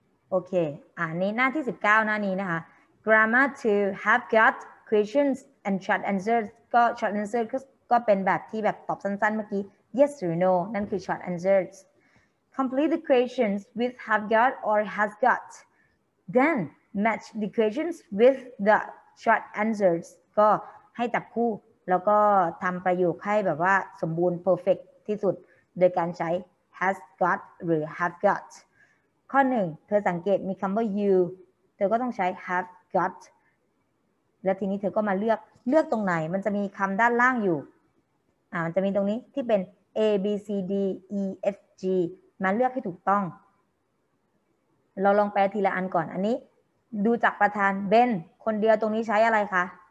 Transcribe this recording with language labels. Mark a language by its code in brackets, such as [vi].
[th] โอเคอ่ะนี้หน้าที่19หน้านี้นะคะ [en] grammar to have got questions and short answers [th] ก็ short answers ก็เป็นแบบที่แบบตอบสั้นๆเมื่อกี้ yes or no นั่นคือ [en] short answersComplete the questions with have got or has got. Then match the questions with the short answers. [th] ก็ให้จับคู่แล้วก็ทำประโยคให้แบบว่าสมบูรณ์ perfect ที่สุดโดยการใช้ has got หรือ have got. ข้อ1เธอสังเกตมีคำว่า you เธอก็ต้องใช้ have got. และทีนี้เธอก็มาเลือกตรงไหนมันจะมีคำด้านล่างอยู่มันจะมีตรงนี้ที่เป็น A B C D E F Gมาเลือกให้ถูกต้องเราลองแปลทีละอันก่อนอันนี้ดูจากประธานเบนคนเดียวตรงนี้ใช้อะไรคะ